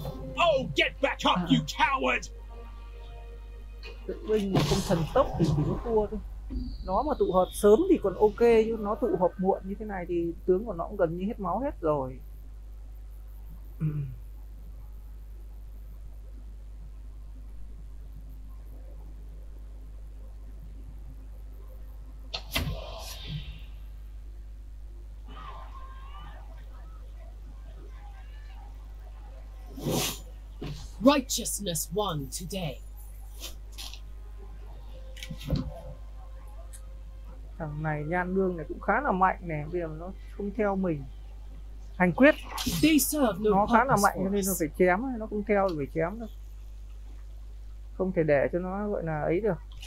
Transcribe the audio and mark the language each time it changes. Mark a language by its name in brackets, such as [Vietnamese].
[English] Oh, get back up, you coward! [Vietnamese] Tự win mà không thần tốc thì chỉ có thua thôi. Nó mà tụ họp sớm thì còn ok, chứ nó tụ họp muộn như thế này thì tướng của nó cũng gần như hết máu hết rồi. [English] Righteousness won today. [Vietnamese] Thằng này Nhan Lương này cũng khá là mạnh nè, bây giờ nó không theo mình. Hành quyết nó khá là mạnh cho nên nó phải chém, nó không theo thì phải chém thôi, không thể để cho nó gọi là ấy được.